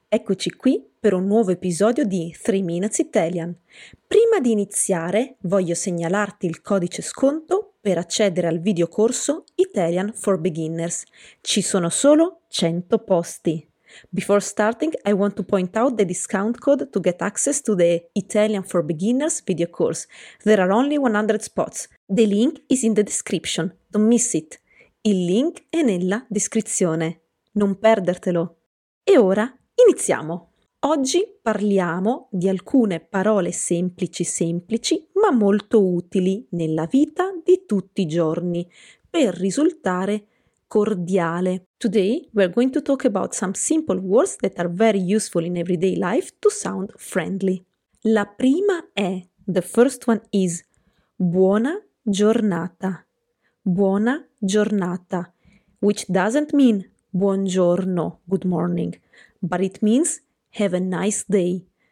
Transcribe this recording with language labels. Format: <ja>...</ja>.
<it>Eccoci qui per un nuovo episodio di 3 Minutes Italian. Prima di iniziare, voglio segnalarti il codice sconto per accedere al videocorso Italian for Beginners. Ci sono solo 100 posti.</it> <en>Before starting, I want to point out the discount code to get access to the Italian for Beginners video course. There are only 100 spots. The link is in the description. Don't miss it.</en> <it>Il link è nella descrizione. Non perdertelo! E ora iniziamo! Oggi parliamo di alcune parole semplici, ma molto utili nella vita di tutti i giorni per risultare cordiale.</it> <en>Today we're going to talk about some simple words that are very useful in everyday life to sound friendly.</en> <it>La prima è,</it> <en>the first one is,</en> <it>buona giornata.</it> <en>Buona giornata, which doesn't mean buongiorno, good morning, but it means have a nice day.</en>